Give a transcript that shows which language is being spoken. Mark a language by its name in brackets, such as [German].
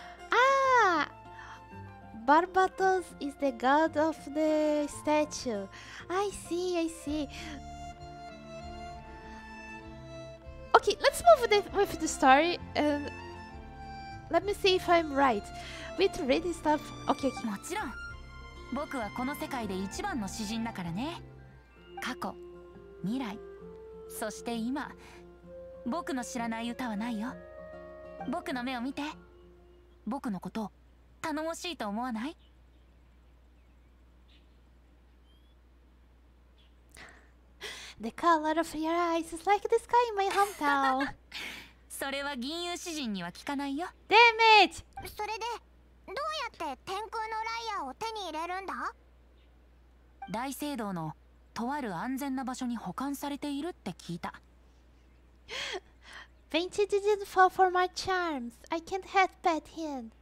[English] Ah! Barbatos is the god of the statue. I see. Okay, let's move with the story and let me see if I'm right. With reading stuff. [Japanese] もちろん。僕はこの世界で一番の詩人だからね。過去、未来、そして今。僕の知らない歌はないよ。僕の目を見て。僕のこと 頼もしいと思わない? [English] The color of your eyes is like the sky in my hometown. [Japanese] それは銀遊詩人には聞かないよ。 [English] Damn it! [Japanese] それでどうやって天空のライヤーを手に入れるんだ? 大聖堂のとある安全な場所に保管されているって聞いた。 [English] Venti didn't fall for my charms. I can't head pat him.